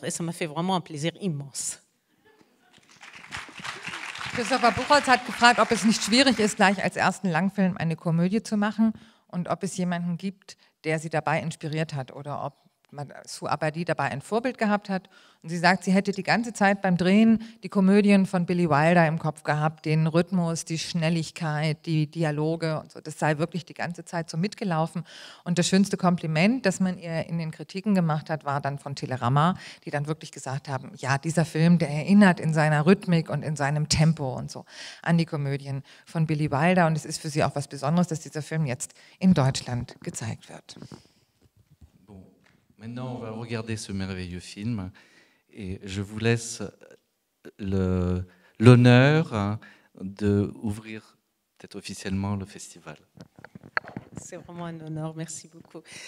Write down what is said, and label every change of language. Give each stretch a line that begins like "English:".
French: Et ça m'a fait vraiment un plaisir immense. Christopher Buchholz a demandé si ce n'est pas difficile, comme premier long film, une comédie de faire et si il y a quelqu'un qui
German: der sie dabei inspiriert hat oder ob Sue Abadi dabei ein Vorbild gehabt hat. Und sie sagt, sie hätte die ganze Zeit beim Drehen die Komödien von Billy Wilder im Kopf gehabt, den Rhythmus, die Schnelligkeit, die Dialoge und so. Das sei wirklich die ganze Zeit so mitgelaufen. Und das schönste Kompliment, das man ihr in den Kritiken gemacht hat, war dann von Telerama, die dann wirklich gesagt haben, ja, dieser Film, der erinnert in seiner Rhythmik und in seinem Tempo und so an die Komödien von Billy Wilder. Und es ist für sie auch was Besonderes, dass dieser Film jetzt in Deutschland gezeigt wird.
French: Maintenant, on va regarder ce merveilleux film et je vous laisse l'honneur d'ouvrir peut-être officiellement le festival. C'est vraiment un honneur, merci beaucoup.